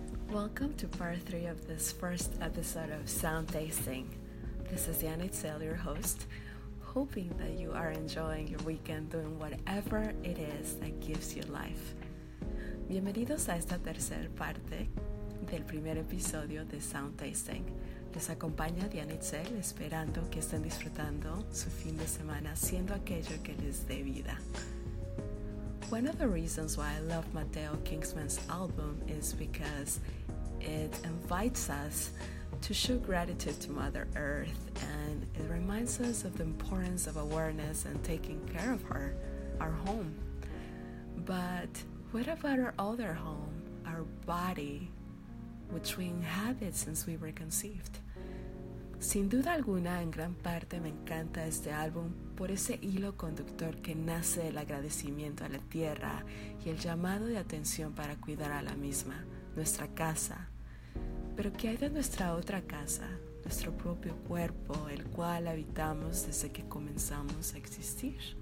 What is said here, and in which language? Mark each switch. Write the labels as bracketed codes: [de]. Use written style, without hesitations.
[en] Welcome to part 3 of this first episode of Sound Tasting. This is Yanitzel, your host, hoping that you are enjoying your weekend doing whatever it is that gives you life. [es] Bienvenidos a esta tercera parte del primer episodio de Sound Tasting. Les acompaña Yanitzel, esperando que estén disfrutando su fin de semana siendo aquello que les dé vida. [en] One of the reasons why I love Mateo Kingsman's album is because it invites us to show gratitude to Mother Earth, and it reminds us of the importance of awareness and taking care of her, our home. But what about our other home, our body, which we inhabit since we were conceived? [es] Sin duda alguna, en gran parte me encanta este álbum por ese hilo conductor que nace del agradecimiento a la tierra y el llamado de atención para cuidar a la misma, nuestra casa. Pero ¿qué hay de nuestra otra casa, nuestro propio cuerpo, el cual habitamos desde que comenzamos a existir?